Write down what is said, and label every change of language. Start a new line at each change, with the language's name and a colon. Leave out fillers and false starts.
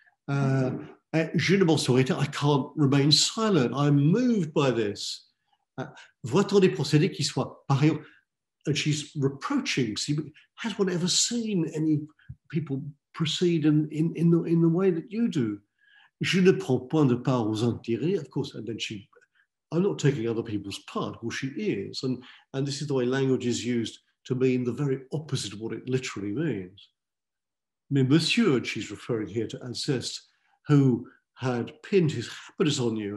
French: Je ne m'en saurais pas.
English: I can't remain silent. I'm moved by this.
French: Voit-on des procédés qui soient pareils?
English: And she's reproaching. See, has one ever seen any people proceed in the way that you do?
French: Je ne prends point de part aux intérêts,
English: of course. And then she, I'm not taking other people's part. Well, she is. And this is the way language is used to mean the very opposite of what it literally means.
French: Mais monsieur,
English: she's referring here to Alceste, who had pinned his happiness on you.